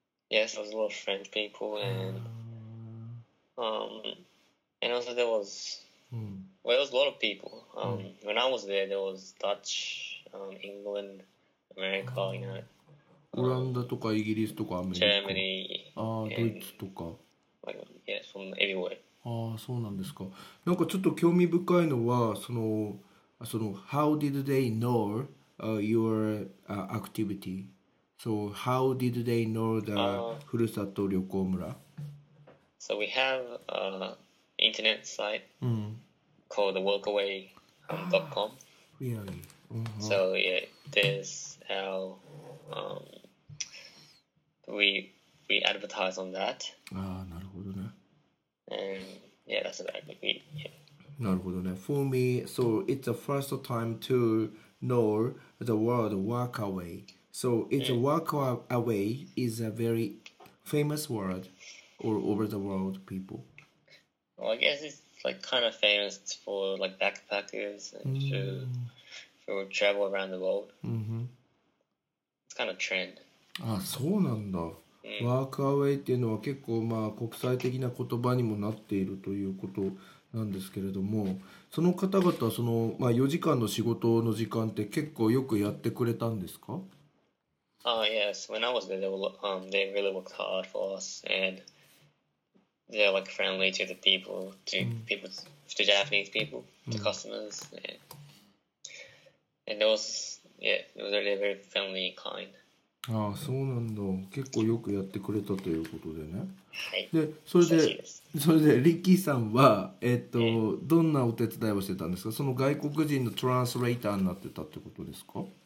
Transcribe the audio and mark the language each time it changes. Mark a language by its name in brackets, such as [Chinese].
[English] Yes, there's a lot of French people and also there was、Well, there was a lot of people. When I was there, there was Dutch, England, America, you know. [Japanese] オランダとかイギリスとかアメリカ。 [English] Germany. [Japanese] ドイツとか。 [English] Yeah, from everywhere. [Japanese] そうなんですか。なんかちょっと興味深いのは、その [English] How did they know your activity? So, how did they know the ふるさと旅行村? So, we have an internet site. Called the workaway.com. Really? So, yeah, there's how we advertise on that. [Japanese] なるほどね。 [English] And yeah, that's about it. Yeah. [Japanese] なるほどね。 [English] For me, so it's the first time to know the word workaway. So it's workaway is a very famous word all over the world, people. Well, I guess it's. Like kind of famous for like backpackers and to travel around the world. It's kind of trend. [Japanese] そうなんだ。ワークアウェイっていうのは結構まあ国際的な言葉にもなっているということなんですけれども、その方々はそのまあ4時間の仕事の時間って結構よくやってくれたんですか？ [English] Yes. When I was there, they really worked hard for us and. They're like friendly to the people, to Japanese people, to customers, yeah. And it was really very friendly and kind. [Japanese] そうなんだ。結構よくやってくれたということでね。はい。で、それでリッキーさんは、どんなお手伝いをしてたんですか？その外国人のトランスレーターになってたってことですか？